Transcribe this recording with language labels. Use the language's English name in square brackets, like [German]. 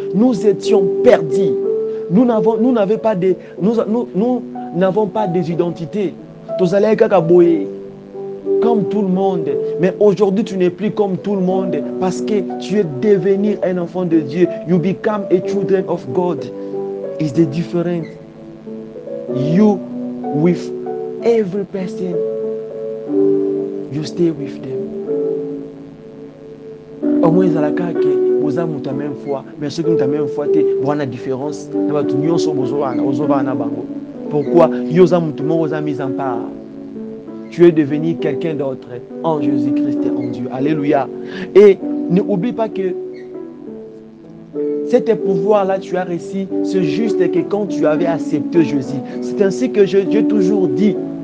[French] Nous étions perdus. Nous n'avons pas d'identité. Comme tout le monde. Mais aujourd'hui, tu n'es plus comme tout le monde parce que tu es devenir un enfant de Dieu. [English] You become a children of God. It's the difference. You with every person, you stay with them. [French] Au moins, ils ont la carte, vous avez la même foi, mais ceux qui ont la même foi, vous avez la différence. Pourquoi? Ils ont mis en part. Tu es devenu quelqu'un d'autre en Jésus-Christ et en Dieu. Alléluia. Et n'oublie pas que cet pouvoir-là, tu as réussi, c'est juste que quand tu avais accepté Jésus, c'est ainsi que j'ai toujours dit.